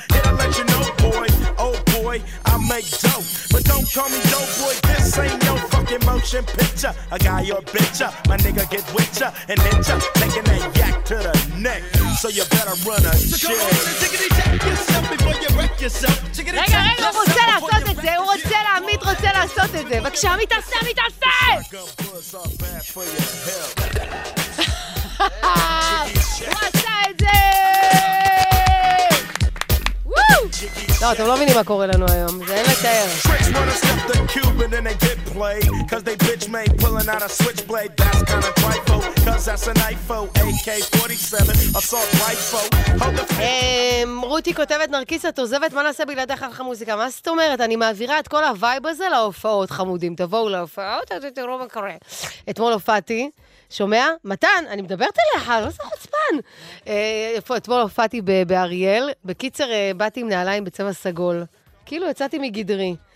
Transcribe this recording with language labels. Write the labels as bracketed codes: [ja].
[en] Did I let you know, boy? Oh boy, I make dope, but don't call me dope boy. This ain't no fucking motion picture. A guy or a bitch, my nigga get with ya and hit ya, taking that yak to the neck. So you better run a check. So come on and tickety check yourself before you wreck yourself. Tickety check yourself before you wreck yourself. Hey, hey, [he] רוצה לעשות את זה, הוא רוצה להעמיד, רוצה לעשות את זה. בבקשה, מתעשה, מתעשה. הוא עשה את זה! לא, אתם לא מבינים מה קורה לנו היום, זה אין לתאר. [en] Cuban and they get played, cause they bitch made pulling out a switchblade, that's kind of trifo, cause that's an IFO, AK-47, assault rifle. [he] רותי כותבת, נרקיס, את עוזבת, מה נעשה בלעדיך לך מוזיקה? מה זאת אומרת? אני מעבירה את כל הווייב הזה להופעות, חמודים, תבואו להופעות, תראו מה קורה. אתמול הופעתי, שומע? מתן, אני מדברת אליך, לא זה חוצפן. אתמול הופעתי באריאל, בקיצר באתי עם נעליים בצבע סגול, כאילו יצאתי מגדרי.